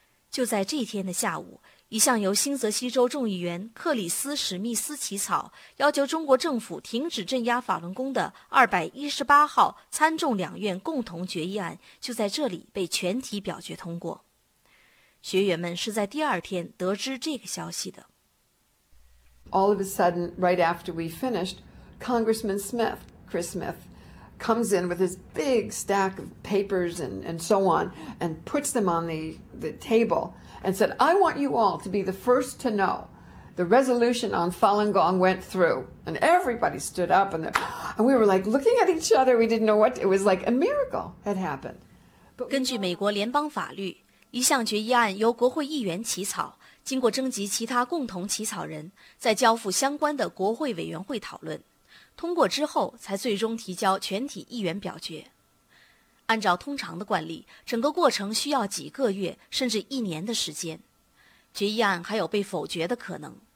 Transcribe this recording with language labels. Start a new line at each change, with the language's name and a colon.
Chinese: 就在这天的下午，一项由新泽西州众议员克里斯·史密斯起草，要求中国政府停止镇压法轮功的218号参众两院共同决议案，就在这里被全体表决通过。学员们是在第二天得知这个消息的。
English: All of a sudden, right after we finished, Congressman Smith, Chris Smith, comes in with his big stack of papers and so on, and puts them on the table and said, I want you all to be the first to know the resolution on Falun Gong went through. And everybody stood up and we were like looking at each other. We didn't know what, it was like a miracle had happened.
Chinese: 根据美国联邦法律，一项决议案由国会议员起草，经过征集其他共同起草人，再交付相关的国会委员会讨论，通过之后才最终提交全体议员表决。按照通常的惯例，整个过程需要几个月甚至一年的时间，决议案还有被否决的可能。